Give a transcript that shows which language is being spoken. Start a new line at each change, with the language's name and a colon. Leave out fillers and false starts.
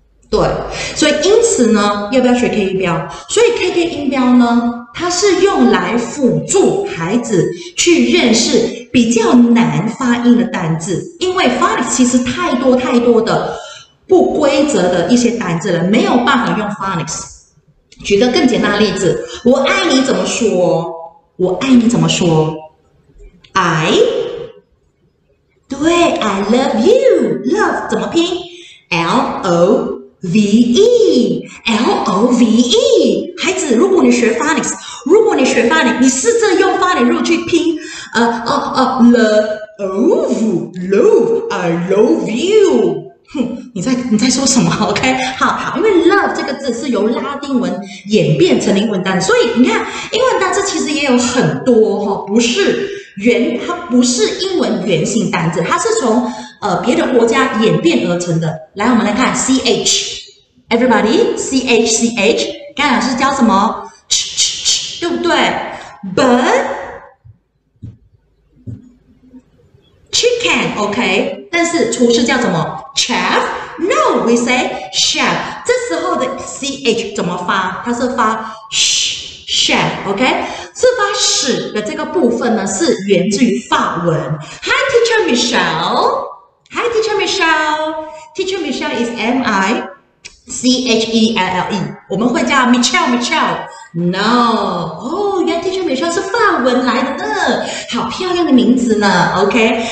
Chinese: 对，所以因此呢，要不要学 KK 音标？所以 KK 音标呢，它是用来辅助孩子去认识比较难发音的单字，因为 phonics 其实太多太多的。不规则的一些单字了，没有办法用 phonics。举个更简单的例子，我爱你怎么说？我爱你怎么说 ？I， 对 ，
English: I love you。
Chinese: love 怎么拼 ？L O V E，L O V E。孩子，如果你学 phonics， 如果你学 phonics， 你试着用 phonics 入去拼，love，love，
English: I love you。
Chinese: 哼，你在说什么 ？OK， 好，因为 love 这个字是由拉丁文演变成英文单，所以你看英文单字其实也有很多哈，不是原，它不是英文原型单字，它是从别的国家演变而成的。来，我们来看 ch， everybody， ch ch， 刚才老师教什么？ ch ch ch， 对不对？bird， chicken， OK， 但是厨师叫什么？chef。
English: No， we say chef。
Chinese: 这时候的 ch 怎么发？它是发 sh， chef， OK。这发 sh 的这个部分呢，是源自于法文。
English: Hi teacher Michelle， Hi teacher Michelle， teacher Michelle is M-I-C-H-E-L-L-E，
Chinese: 我们会叫
English: Michelle Michelle。
Chinese: No， 原来 teacher Michelle 是法文来的呢，好漂亮的名字呢， OK。